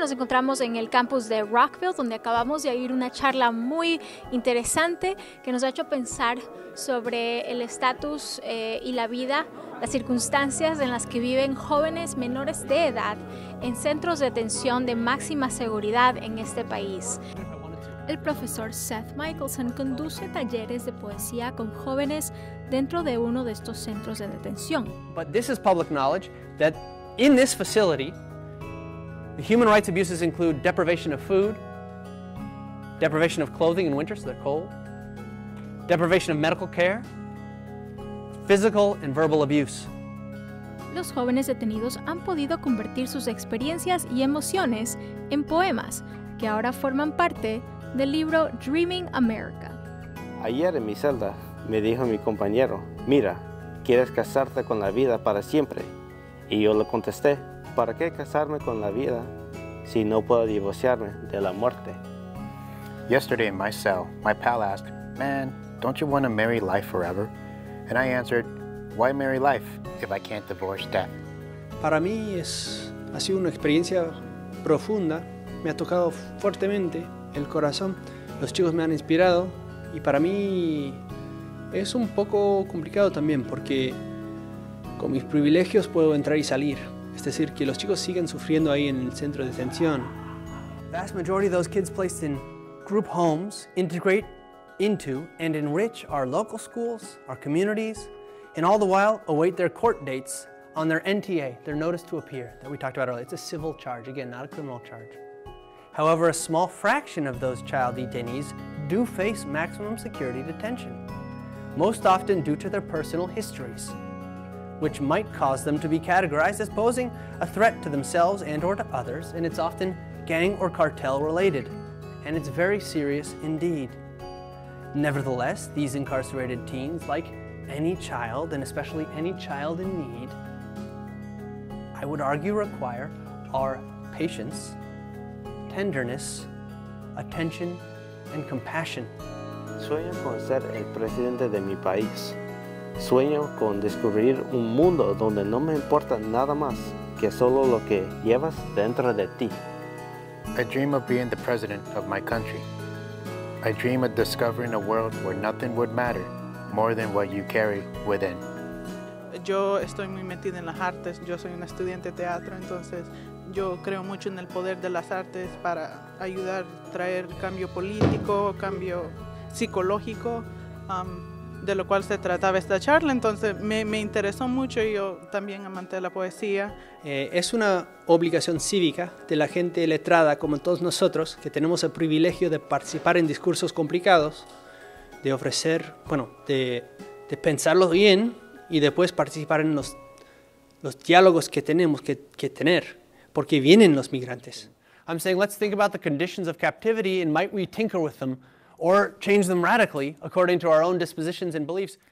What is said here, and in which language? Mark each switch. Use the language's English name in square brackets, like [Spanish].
[Spanish] Nos encontramos en el campus de Rockville, donde acabamos de oír una charla muy interesante que nos ha hecho pensar sobre el estatus y la vida, las circunstancias en las que viven jóvenes menores de edad en centros de detención de máxima seguridad en este país. El profesor Seth Michelson conduce talleres de poesía con jóvenes dentro de uno de estos centros de detención. [English] But this is public knowledge that in this facility, the human rights abuses include deprivation of food, deprivation of clothing in winter, so they're cold, deprivation of medical care, physical and verbal abuse. [Spanish] Los jóvenes detenidos han podido convertir sus experiencias y emociones en poemas, que ahora forman parte del libro Dreaming America. Ayer en mi celda me dijo mi compañero, mira, ¿quieres casarte con la vida para siempre? Y yo le contesté, ¿para qué casarme con la vida si no puedo divorciarme de la muerte? [English] Yesterday in my cell, my pal asked, man, don't you want to marry life forever? And I answered, why marry life if I can't divorce death? [Spanish] Para mí ha sido una experiencia profunda. Me ha tocado fuertemente el corazón. Los chicos me han inspirado y para mí es un poco complicado también porque con mis privilegios puedo entrar y salir. Es decir, que los chicos siguen sufriendo ahí en el centro de detención. [English] The vast majority of those kids placed in group homes integrate into and enrich our local schools, our communities, and all the while await their court dates on their NTA, their notice to appear, that we talked about earlier. It's a civil charge, again, not a criminal charge. However, a small fraction of those child detainees do face maximum security detention, most often due to their personal histories, which might cause them to be categorized as posing a threat to themselves and or to others, and it's often gang or cartel related, and it's very serious indeed. Nevertheless, these incarcerated teens, like any child, and especially any child in need, I would argue require our patience, tenderness, attention, and compassion. [Spanish] Sueño con ser el presidente de mi país. Sueño con descubrir un mundo donde no me importa nada más que solo lo que llevas dentro de ti. [English] I dream of being the president of my country. I dream of discovering a world where nothing would matter more than what you carry within. [Spanish] Yo estoy muy metida en las artes. Yo soy una estudiante de teatro, entonces yo creo mucho en el poder de las artes para ayudar a traer cambio político, cambio psicológico, de lo cual se trataba esta charla. Entonces me interesó mucho y yo también amante de la poesía. Es una obligación cívica de la gente letrada, como todos nosotros, que tenemos el privilegio de participar en discursos complicados, de ofrecer, bueno, de pensarlos bien y después participar en los diálogos que tenemos que tener, porque vienen los migrantes. [English] I'm saying let's think about the conditions of captivity and might we tinker with them or change them radically according to our own dispositions and beliefs.